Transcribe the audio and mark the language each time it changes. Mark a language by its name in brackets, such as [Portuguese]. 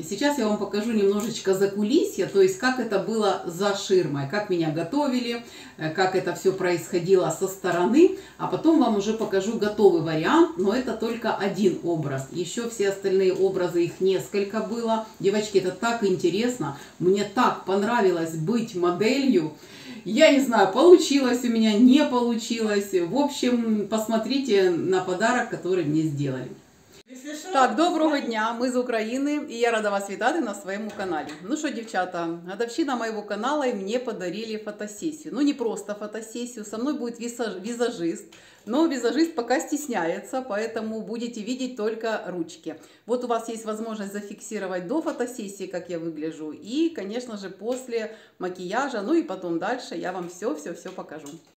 [Russian] Сейчас я вам покажу немножечко закулисье, то есть как это было за ширмой, как меня готовили, как это все происходило со стороны, а потом вам уже покажу готовый вариант, но это только один образ. Еще все остальные образы, их несколько было. Девочки, это так интересно, мне так понравилось быть моделью. Я не знаю, получилось у меня, не получилось. В общем, посмотрите на подарок, который мне сделали. Так, доброго дня, мы из Украины, и я рада вас [Ukrainian] вітати на своєму каналі. Ну що, дівчата, годовщина моєго каналу, і мені подарили фотосесію. [Russian] Ну не просто фотосесію, со мной будет визажист, но визажист пока стесняется, поэтому будете видеть только ручки. Вот у вас есть возможность зафиксировать до фотосессии, как я выгляжу, и, конечно же, после макияжа, ну и потом дальше я вам все-все-все покажу.